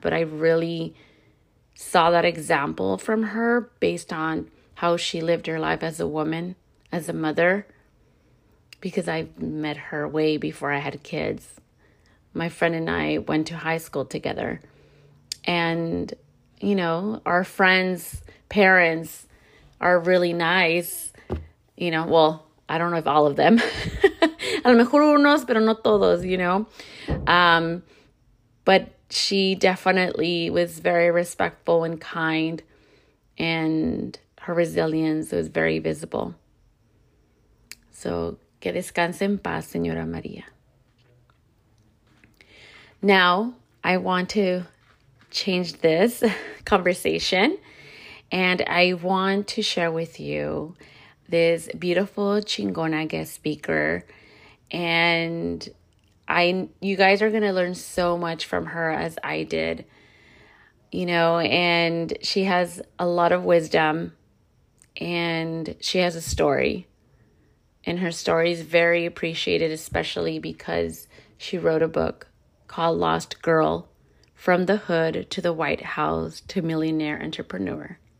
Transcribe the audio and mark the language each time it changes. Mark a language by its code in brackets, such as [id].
[en] But I really saw that example from her based on how she lived her life as a woman, as a mother, because I met her way before I had kids. My friend and I went to high school together. And, you know, our friends' parents are really nice. You know, well, I don't know if all of them. [es] A lo mejor unos, pero no todos, [en] you know. But she definitely was very respectful and kind. And her resilience was very visible. [es] So, que descanse en paz, señora María. [en] Now, I want to change this conversation, and I want to share with you this beautiful Chingona guest speaker, and you guys are going to learn so much from her as I did, you know, and she has a lot of wisdom, and she has a story, and her story is very appreciated, especially because she wrote a book called Lost Girl, From the Hood to the White House to Millionaire Entrepreneur.